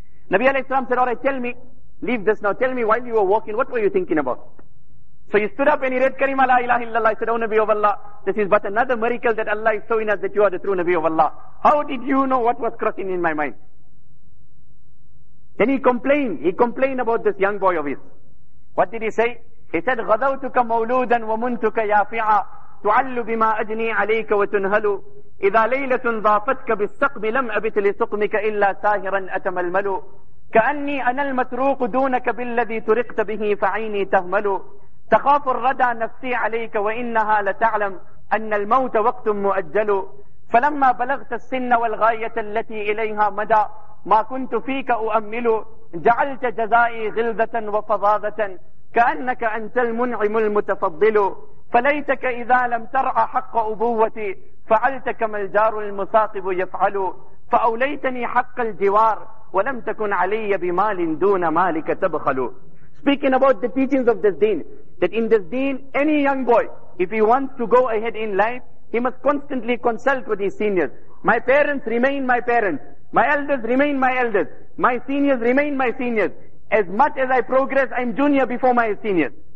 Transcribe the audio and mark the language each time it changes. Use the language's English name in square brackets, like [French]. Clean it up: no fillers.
[English] Nabi alayhi salam said, alright, tell me, leave this now, tell me, while you were walking, what were you thinking about? So he stood up and he read Karima la ilaha illallah. He said, O Nabi of Allah, this is but another miracle that Allah is showing us that you are the true Nabi of Allah. How did you know what was crossing in my mind? Then he complained about this young boy of his. What did he say? He said, [Arabic] غَذَوْتُكَ مَوْلُودًا وَمُنْتُكَ يَافِعًا تُعَلُّ بِمَا أَجْنِي عَلَيْكَ وَتُنْهَلُ إِذَا لَيْلَةٌ ضَافَتْكَ بِالسَّقْمِ لَمْ أَبِتْ لِسُقْمِكَ إِلَّا سَاهِرًا أَتَمَلْمَلُ كَأَنِّي أَنَا الْمَتْرُوقُ دُونَكَ بِالَّذِي تُرِقْتَ بِهِ فَعَيْنِي تَهْمَلُ تخاف الردى نفسي عليك وإنها لتعلم أن الموت وقت مؤجل فلما بلغت السن والغاية التي إليها مدى ما كنت فيك أؤمل جعلت جزائي غلظة وفظاظة كأنك أنت المنعم المتفضل فليتك إذا لم ترع حق أبوتي فعلت كما الجار المثاقب يفعل فأوليتني حق الجوار ولم تكن علي بمال دون مالك تبخل. [English] Speaking about the teachings of this deen, that in this deen, any young boy, if he wants to go ahead in life, he must constantly consult with his seniors. My parents remain my parents. My elders remain my elders. My seniors remain my seniors. As much as I progress, I'm junior before my seniors.